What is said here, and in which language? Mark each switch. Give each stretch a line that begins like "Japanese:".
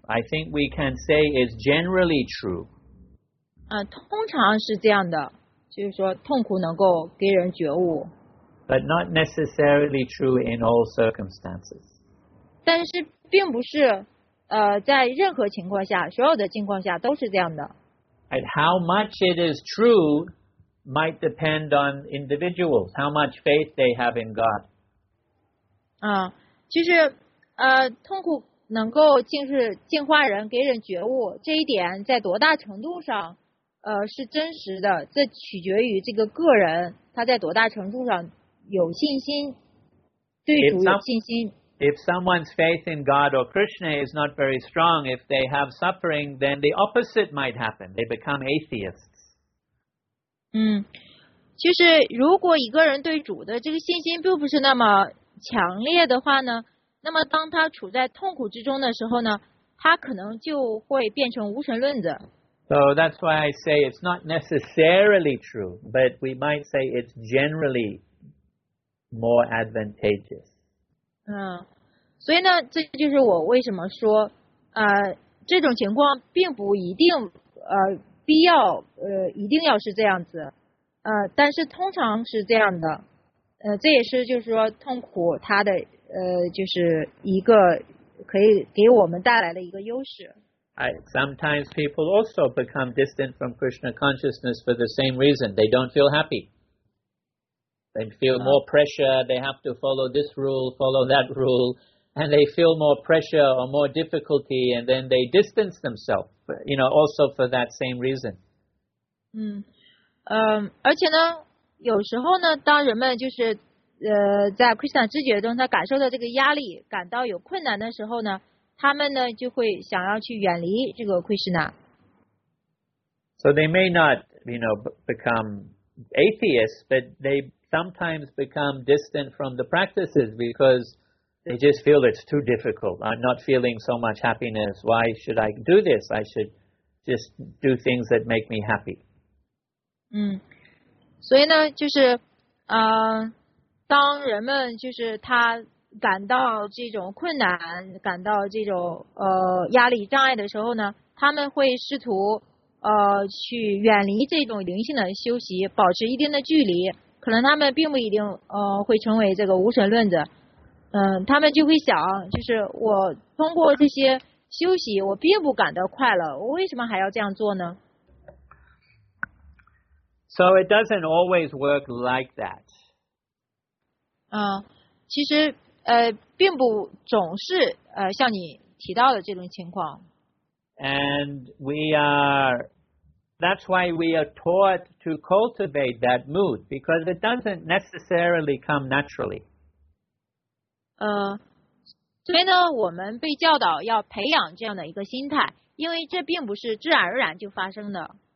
English: I think we can say it's generally true.
Chinese: 通常是这样的，就是说痛苦能够给人觉悟。
English: But not necessarily true in all circumstances.
Chinese: 但是并不是，在任何情况下，所有的情况下都是这样的。
English: And how much it is true might depend on individuals, how much faith they have in God.
Chinese: 其实痛苦能够净化人，给人觉悟，这一点在多大程度上是真实的，这取决于这个个人他在多大程度上有信心，对主有信心。
English: If someone's faith in God or Krishna is not very strong, if they have suffering, then the opposite might happen. They become atheists.
Chinese: 就是如果一个人对主的这个信心并不是那么强烈的话呢，那么当他处在痛苦之中的时候呢，他可能就会变成无神论者。
English: So that's why I say it's not necessarily true, but we might say it's generally more advantageous.
Chinese: 所以呢，这就是我为什么说，这种情况并不一定，必要，一定要是这样子，但是通常是这样的。这也是就是说痛苦它的就是一个可以给我们带来的一个优势。
English: Sometimes people also become distant from Krishna consciousness for the same reason. They don't feel happy. They feel more pressure. They have to follow this rule, follow that rule. And they feel more pressure or more difficulty. And then they distance themselves, you know, also for that same reason.
Chinese: 而且呢有时候呢，当人们就是在 Krishna 知觉中，他感受到这个压力，感到有困难的时候呢，他们呢就会想要去远离这个 Krishna。
English: So they may not, you know, become atheists, but they sometimes become distant from the practices because they just feel it's too difficult. I'm not feeling so much happiness. Why should I do this? I should just do things that make me happy.
Chinese: 所以呢，就是，当人们就是他感到这种困难，感到这种压力障碍的时候呢，他们会试图去远离这种灵性的修习，保持一定的距离。可能他们并不一定会成为这个无神论者，他们就会想，就是我通过这些休息，我并不感到快乐，我为什么还要这样做呢？
English: So it doesn't always work like that.
Chinese: 其实并不总是像你提到的这种情况。
English: And we are, that's why we are taught to cultivate that mood, because it doesn't necessarily come naturally.
Chinese: 所以呢，我们被教导要培养这样的一个心态，因为这并不是自然而然就发生的。